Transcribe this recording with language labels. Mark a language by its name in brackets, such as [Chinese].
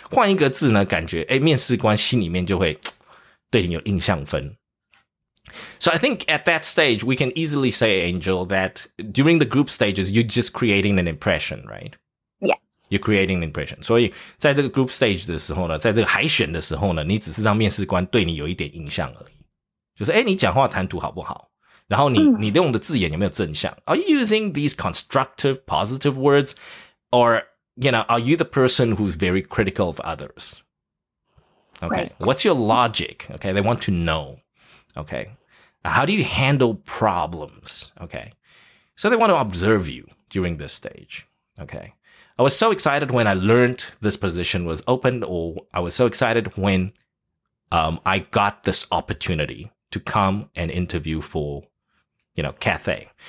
[Chinese] 换一个字呢，感觉面试官心里面就会对你有印象分。 [English] So I think at that stage, we can easily say, Angel, that during the group stages, you're just creating an impression, right? Yeah. You're creating an impression. [Chinese] 所以在这个group stage的时候呢,在这个海选的时候呢,你只是让面试官对你有一点印象而已。就是,诶,你讲话谈吐好不好?然后你用的字眼有没有正向? [English] Are you using these constructive, positive words? Or, are you the person who's very critical of others? Okay. Right. What's your logic? Okay, they want to know. Okay. How do you handle problems? Okay. So they want to observe you during this stage. Okay. I was so excited when I learned this position was open, or I was so excited when I got this opportunity to come and interview for, Cathay.